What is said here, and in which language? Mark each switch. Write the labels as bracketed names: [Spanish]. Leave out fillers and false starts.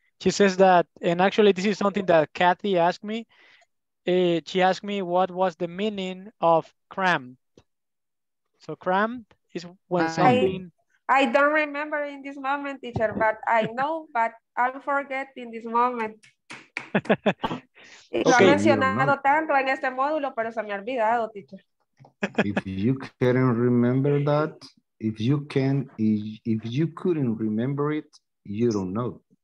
[English] She says that, and actually this is something that Kathy asked me. She asked me what was the meaning of cramped. So cramped is when something... I don't remember in this moment, teacher, but I know, but I'll forget in this moment. [Spanish] Y okay. Lo ha mencionado tanto en este módulo, pero se me ha olvidado, teacher. [English] If you couldn't remember that, if you couldn't remember it, you don't know.